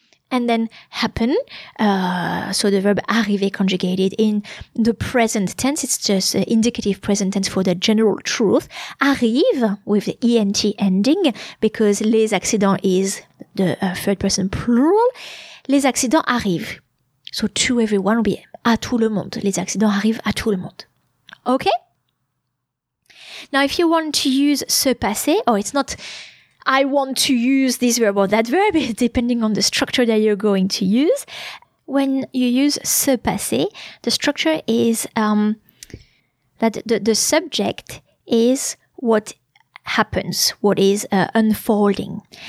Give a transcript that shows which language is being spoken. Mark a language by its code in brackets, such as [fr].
[en] And then happen, so the verb arriver conjugated in the present tense, it's just indicative present tense for the general truth, arrive with the ENT ending, because les accidents is the third person plural, [fr] les accidents arrivent. [en] So to everyone, will be [fr] à tout le monde, les accidents arrivent à tout le monde. [en] Okay? Now if you want to use ce passé, or it's not... I want to use this verb or that verb, depending on the structure that you're going to use. When you use ce passé, the structure is that the subject is what happens, what is unfolding.